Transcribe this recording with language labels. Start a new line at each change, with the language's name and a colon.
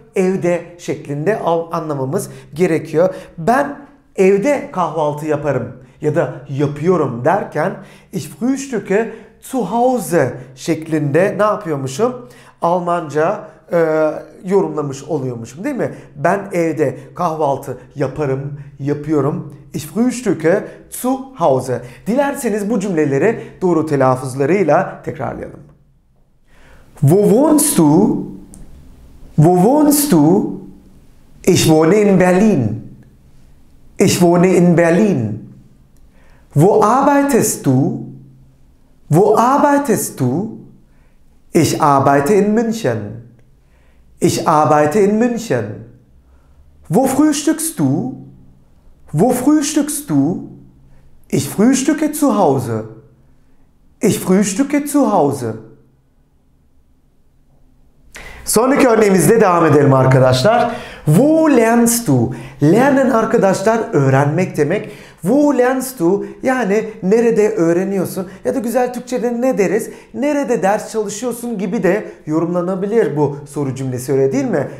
Turkish: Evde şeklinde anlamamız gerekiyor. Ben evde kahvaltı yaparım ya da yapıyorum derken
German: ich frühstücke zu Hause
Turkish: şeklinde ne yapıyormuşum? Almanca yorumlamış oluyormuşum değil mi? Ben evde kahvaltı yaparım, yapıyorum.
German: Ich frühstücke zu Hause.
Turkish: Dilerseniz bu cümleleri doğru telaffuzlarıyla tekrarlayalım.
German: Wo wohnst du? Wo wohnst du? Ich wohne in Berlin. Ich wohne in Berlin. Wo arbeitest du? Wo arbeitest du? Ich arbeite in München. Ich arbeite in München. Wo frühstückst du? Wo frühstückst du? Ich frühstücke zu Hause. Ich frühstücke zu Hause.
Turkish: Sonraki örneğimizde devam edelim arkadaşlar.
German: Wo lernst du?
Turkish: Lernen arkadaşlar öğrenmek demek.
German: Wo lernst du?
Turkish: Yani nerede öğreniyorsun? Ya da güzel Türkçe'de ne deriz? Nerede ders çalışıyorsun gibi de yorumlanabilir bu soru cümlesi, öyle değil mi?